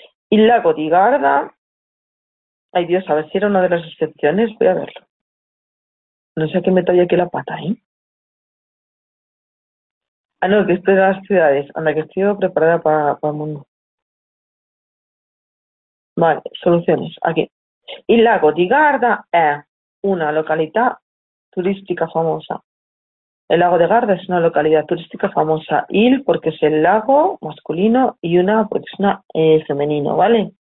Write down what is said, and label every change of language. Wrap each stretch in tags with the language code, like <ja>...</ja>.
<es>Il lago di Garda. Ay Dios, a ver si era una de las excepciones, voy a verlo. No sé a qué meto yo aquí la pata, ¿eh? Ah, no, que esto es de las ciudades. Anda, que estoy preparada para el mundo. Vale, soluciones. Aquí.</es> <it>Il lago di Garda è una località turistica famosa.</it> <es>El lago de Garda es una</es> <it>località turistica famosa.</it> <es>Il, porque es el lago masculino, y una, porque es una femenino, ¿vale?</es>